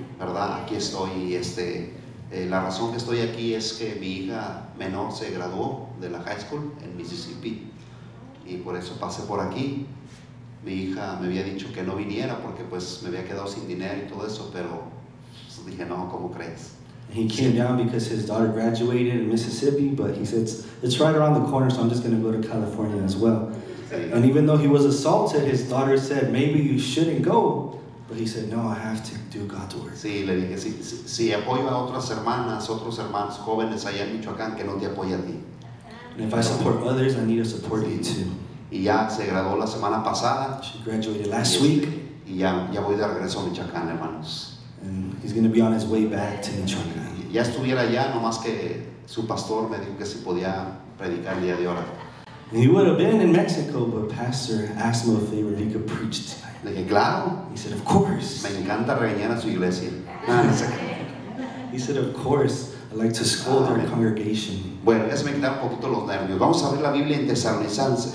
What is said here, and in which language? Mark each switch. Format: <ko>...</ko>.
<es>¿Verdad? Aquí estoy. Y la razón que estoy aquí es que mi hija menor se graduó de la high school en Mississippi. Y por eso pasé por aquí. Mi hija me había dicho que no viniera porque pues me había quedado sin dinero y todo eso, pero pues, dije, no, ¿cómo crees?</es> <en>He came down because his daughter graduated in Mississippi, but he said, it's right around the corner, so I'm just going to go to California as well. And even though he was assaulted, his daughter said, maybe you shouldn't go. But he said, no, I have to do God's work.</en> <es>Sí, le dije, si apoyo a otras hermanas, otros hermanos jóvenes allá en Michoacán, que no te apoye a ti.</es> <en>And if I support others, I need to support you too.</en> <es>Y ya se graduó la semana pasada.</es> <en>She graduated last week.</en> <es>Y ya voy de regreso a Michoacán, hermanos.</es> <en>And he's going to be on his way back to Michoacán.</en> <es>Ya estuviera allá, nomás que su pastor me dijo que si podía predicar el día de hoy.</es> <en>He would have been in Mexico, but Pastor asked him a favor if he could preach tonight.</en> <es>Le dije, claro.</es> <en>He said, of course.</en> <es>Me encanta regañar a su iglesia.</es> <en>He said, of course. I like to scold our congregation.</en> <es>Bueno, déjame quitar un poquito los nervios. Vamos a ver la Biblia en Tesalonicenses.</es>